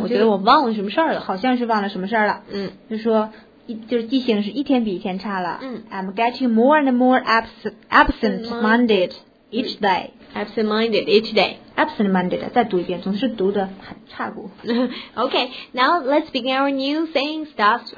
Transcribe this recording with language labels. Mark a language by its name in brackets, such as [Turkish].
[Chinese] 我觉得我忘了什么事儿了，好像是忘了什么事儿了。就说就是记性是一天比一天差了。 [English] I'm getting more and more absent-minded each day. Absent-minded each day. Absent-minded. [Chinese] 再读一遍，总是读得很差不。 [English] Okay, now let's begin our new saying stuff.